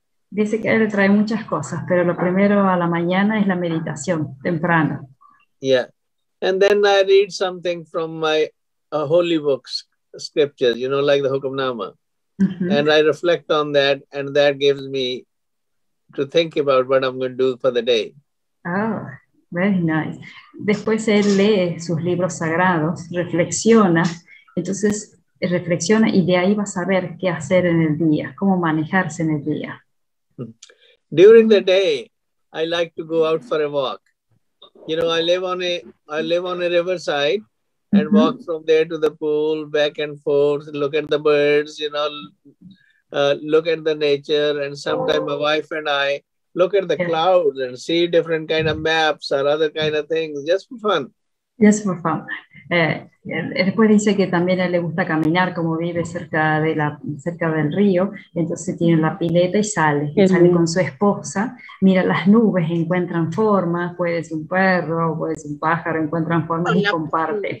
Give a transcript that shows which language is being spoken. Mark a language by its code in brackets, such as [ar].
[es] Dice que él trae muchas cosas, pero lo primero a la mañana es la meditación, temprano. [en] Yeah, and then I read something from my holy books, scriptures, you know, like the Hukamnama. And I reflect on that, and that gives me to think about what I'm going to do for the day. Oh, very nice. [es] Después él lee sus libros sagrados, reflexiona, entonces reflexiona y de ahí va a saber qué hacer en el día, cómo manejarse en el día. [en] During the day, I like to go out for a walk. You know, I live on a riverside and walk from there to the pool, back and forth, look at the birds, you know, look at the nature, and sometimes my wife and I look at the clouds and see different kind of maps or other kind of things, just for fun. Yes, for fun. [es] Después dice que también a él le gusta caminar, como vive cerca del río, entonces tiene la pileta y sale. Mm-hmm. Sale con su esposa, mira las nubes, encuentran formas, puede ser un perro, puede ser un pájaro, encuentran formas y comparte.